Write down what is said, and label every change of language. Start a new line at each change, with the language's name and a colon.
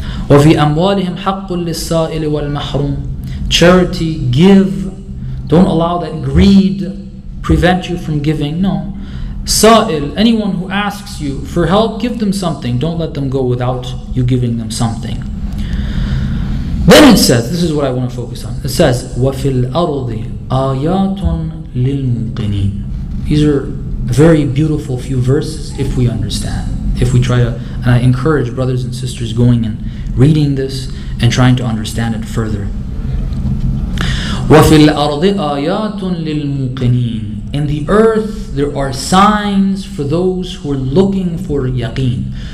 Arabic: وَفِي أَمْوَالِهِمْ حَقٌّ لِلسَّائِلِ وَالْمَحْرُومِ.
English: Charity, give. Don't allow that greed prevent you from giving. No. Sa'il, anyone who asks you for help, give them something. Don't let them go without you giving them something. Then it says, this is what I want to focus on. It says,
Arabic: وَفِي الْأَرْضِ آيَاتٌ لِلْمُقِنِينَ.
English: These are very beautiful few verses if we understand. If we try to, and I encourage brothers and sisters going and reading this and trying to understand it further.
Arabic: وَفِي الْأَرْضِ آيَاتٌ لِلْمُوقِنِينَ.
English: In the earth, there are signs for those who are looking for yaqeen.